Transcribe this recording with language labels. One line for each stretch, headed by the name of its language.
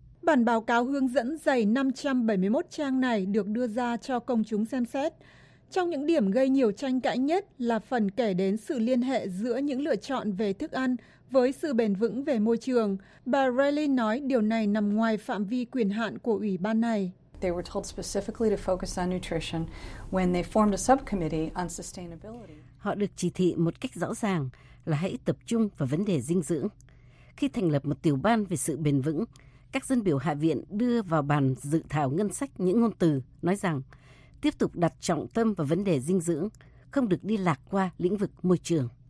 Vietnamese: Bản báo cáo hướng dẫn dày 571 trang này được đưa ra cho công chúng xem xét. Trong những điểm gây nhiều tranh cãi nhất là phần kể đến sự liên hệ giữa những lựa chọn về thức ăn với sự bền vững về môi trường. Bà Riley nói điều này nằm ngoài phạm vi quyền hạn của ủy ban này.
English: They were told specifically to focus on nutrition when they formed a subcommittee on sustainability.
Vietnamese: Họ được chỉ thị một cách rõ ràng là hãy tập trung vào vấn đề dinh dưỡng. Khi thành lập một tiểu ban về sự bền vững, các dân biểu hạ viện đưa vào bàn dự thảo ngân sách những ngôn từ nói rằng tiếp tục đặt trọng tâm vào vấn đề dinh dưỡng, không được đi lạc qua lĩnh vực môi trường.